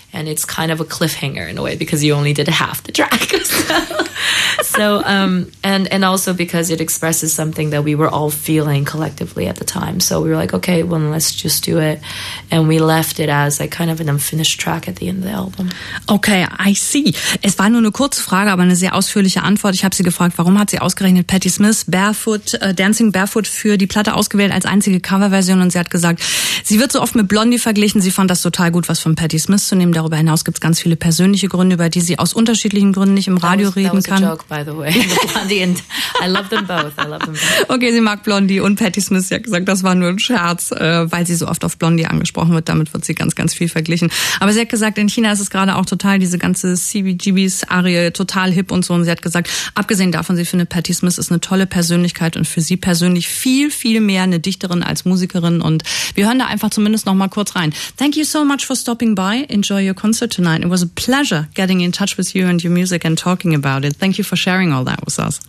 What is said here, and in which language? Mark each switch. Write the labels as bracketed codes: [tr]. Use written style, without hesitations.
[en] And it's kind of a cliffhanger in a way because you only did half the track. So, and also because it expresses something that we were all feeling collectively at the time. So we were like, okay, well, let's just do it. And we left it as like kind of an unfinished track at the end of the album. Okay, I see. [de] Es war nur eine kurze Frage, aber eine sehr ausführliche Antwort. Ich habe sie gefragt, warum hat sie ausgerechnet Patti Smith Barefoot, Dancing Barefoot für die Platte ausgewählt als einzige Coverversion? Und sie hat gesagt, sie wird so oft mit Blondie verglichen. Sie fand das total gut, was von Patti Smith zu nehmen. Darüber hinaus gibt es ganz viele persönliche Gründe, über die sie aus unterschiedlichen Gründen nicht im Radio reden kann. [en] That was a joke, by the way. Blondie and I love them both. [de] Okay, sie mag Blondie und Patti Smith, sie hat gesagt, das war nur ein Scherz, weil sie so oft auf Blondie angesprochen wird. Damit wird sie ganz, ganz viel verglichen. Aber sie hat gesagt, in China ist es gerade auch total, diese ganze CBGBs-Arie, total hip und so. Und sie hat gesagt, abgesehen davon, sie findet, Patti Smith ist eine tolle Persönlichkeit und für sie persönlich viel, viel mehr eine Dichterin als Musikerin. Und wir hören da einfach zumindest noch mal kurz rein. [en] Thank you so much for stopping by. Enjoy your concert tonight. It was a pleasure getting in touch with you and your music and talking about it. Thank you for sharing all that with us.